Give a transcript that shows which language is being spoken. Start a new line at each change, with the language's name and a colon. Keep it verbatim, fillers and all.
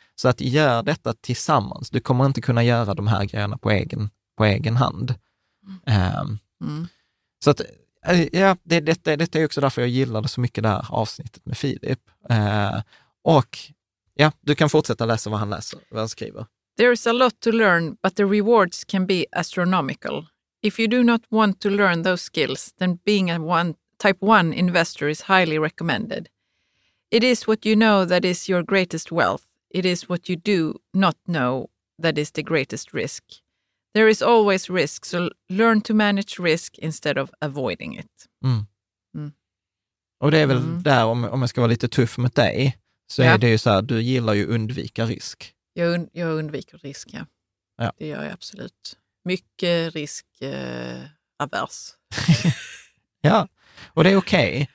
Swedish: Så att gör detta tillsammans. Du kommer inte kunna göra de här grejerna på egen, på egen hand. Eh, mm. Så att, ja, det, detta, detta är också därför jag gillade så mycket det här avsnittet med Filip. Eh, och ja, du kan fortsätta läsa vad han läser, vad han skriver.
English: There is a lot to learn, but the rewards can be astronomical. If you do not want to learn those skills, then being a one, type one investor is highly recommended. It is what you know that is your greatest wealth. It is what you do not know that is the greatest risk. There is always risk, so learn to manage risk instead of avoiding it. Mm. Mm.
Swedish: Och det är väl mm. där, om, om jag ska vara lite tuff mot dig, så ja. är det ju så här, du gillar ju undvika risk. Jag, und- jag undviker risk, ja. ja. Det gör jag absolut. Mycket risk eh, avers. Ja, och det är okej. Okay.